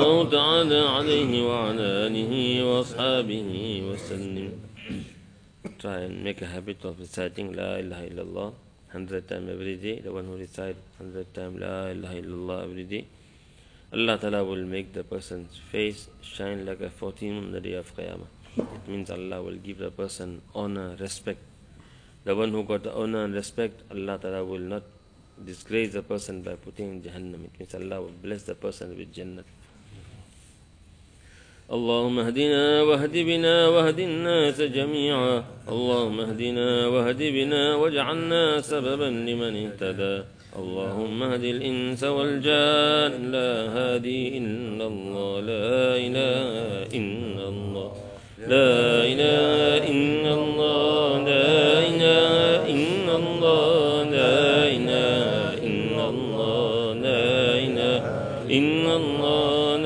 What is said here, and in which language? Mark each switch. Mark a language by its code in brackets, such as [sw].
[ar] تعالى عليه وعلى آله وأصحابه وسلم. [en] Try and make a habit of reciting [ar] لا إله إلا الله [en] 100 times every day. The one who recites 100 times لا إله إلا الله every day, Allah Ta'ala will make the person's face shine like a 14 on the day of Qiyamah. It means Allah will give the person honor, respect. The one who got the honor and respect, Allah Ta'ala will not disgrace the person by putting in Jahannam. It means Allah will bless the person with Jannah. [ar] اللهم اهدنا واهد بنا واهد الناس جميعا اللهم اهدنا واهد بنا واجعلنا سببا لمن اهتدى اللهم اهد الانس والجان لا هادي الا الله لا اله الا الله لا اله الا الله لا اله الا الله لا اله الا الله لا اله الا الله